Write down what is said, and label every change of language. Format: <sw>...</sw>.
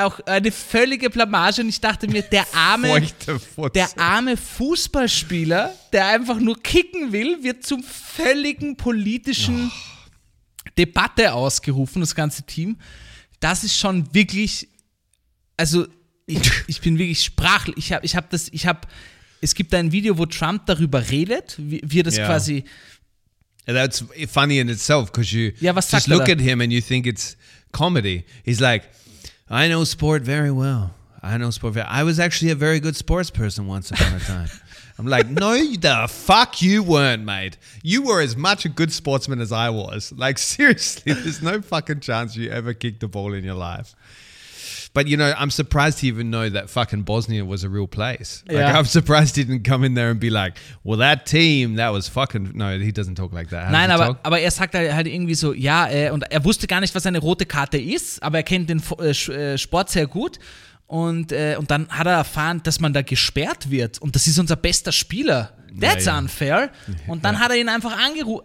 <de>Auch eine völlige Blamage und ich dachte mir, der arme Fußballspieler, der einfach nur kicken will, wird zum völligen politischen Debatte ausgerufen, das ganze Team. Das ist schon wirklich, also ich bin wirklich sprachlich. Es gibt ein Video, wo Trump darüber redet, wie er das quasi...</de> <en>That's funny in itself because you just look at him and you think it's comedy. He's like, I know sport very well. I was actually a very good sports person once upon a time. I'm like, no, the fuck you weren't, mate. You were as much a good sportsman as I was. Like, seriously, there's no fucking chance you ever kicked a ball in your life. But, you know, I'm surprised he even know that fucking Bosnia was a real place. Like, I'm surprised he didn't come in there and be like, well, that team, that was fucking... No, he doesn't talk like that.</en> <de>Nein, aber er sagt halt irgendwie so, ja, und er wusste gar nicht, was eine rote Karte ist, aber er kennt den Sport sehr gut. Und dann hat er erfahren, dass man da gesperrt wird. Und das ist unser bester Spieler.</de> <en>That's unfair.</en> <de>Und dann hat er ihn einfach angerufen.</de>